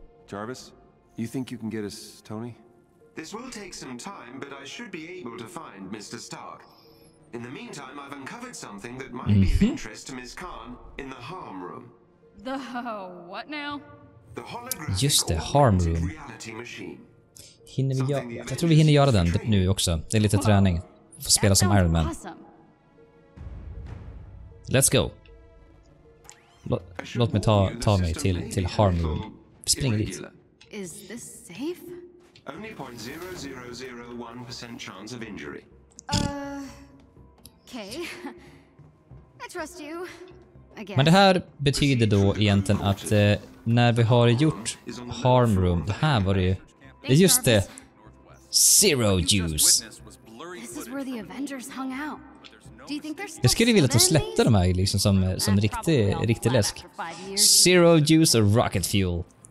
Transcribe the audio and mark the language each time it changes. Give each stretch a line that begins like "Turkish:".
English: Jarvis, you think you can get us Tony? This will take some time, but I should be able to find Mr. Stark. In the meantime, I've uncovered something that might be of interest to Ms. Khan in the harm room. The what now? The holographic harm room. Reality machine.
Swedish: Hinner vi göra? Jag tror vi hinner göra den nu också. Det är lite träning. Få spela som Iron Man.
English: Let's go.
Swedish: Låt mig ta mig till Harmony. Spring dit.
English: Is this safe? Only 0.0001% chance of injury. Okay. I trust you.
Swedish: Men det här betyder då egentligen att när vi har gjort Harm Room, det här var ju, det är just det, Zero Juice.
English: This is where the Avengers hung out.
Swedish: Jag skulle vilja att släppa de här liksom som riktig läsk. Zero Juice och Rocket Fuel.